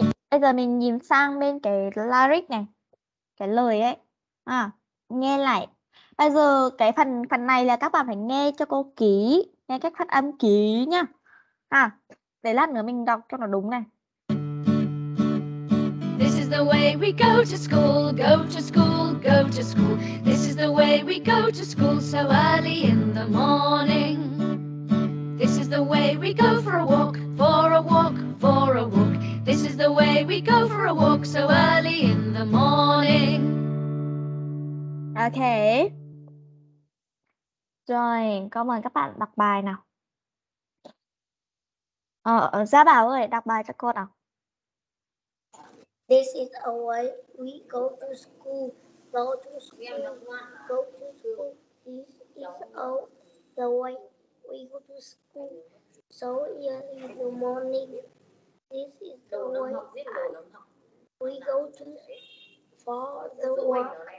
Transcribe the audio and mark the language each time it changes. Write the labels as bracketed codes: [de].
[vi] Bây giờ mình nhìn sang bên cái lyric này, cái lời ấy. Nghe lại. Bây giờ cái phần này là các bạn phải nghe cho cô kỹ, nghe cách phát âm kỹ nhá. Để lát nữa mình đọc cho nó đúng này. [en] This is the way we go to school, go to school, go to school. This is the way we go to school so early in the morning. This is the way we go for a walk, for a walk, for a walk. This is the way we go for a walk so early in the morning. Ok. [vi] Rồi, có mời các bạn đọc bài nào. Gia Bảo ơi, đọc bài cho cô nào. [en] This is a way we go to school. Go to school. Go to school. This is the way we go to school. So early in the morning. This is the way we go to for the walk.